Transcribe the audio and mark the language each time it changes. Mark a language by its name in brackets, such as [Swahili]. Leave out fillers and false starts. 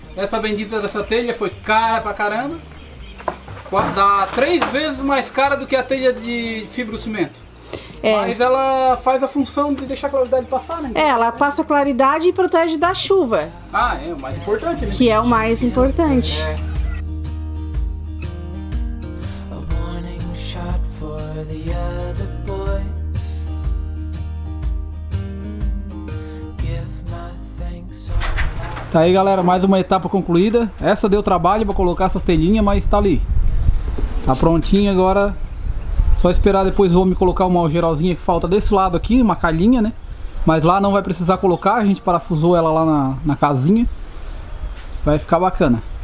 [Portuguese] Essa bendita dessa telha foi cara pra caramba. Dá 3 vezes mais cara do que a telha de fibro cimento. É. Mas ela faz a função de deixar a claridade passar, né? É, ela passa claridade e protege da chuva. Ah, é o mais importante, né? Que é o mais importante. [English] A warning shot for the other boys. Give my thanks. [Portuguese] Tá aí, galera, mais uma etapa concluída. Essa deu trabalho pra colocar essas telinhas, mas tá ali. Tá prontinho agora. Só esperar depois o homem colocar uma geralzinha que falta desse lado aqui, uma calhinha, né? Mas lá não vai precisar colocar, a gente parafusou ela lá na casinha. Vai ficar bacana.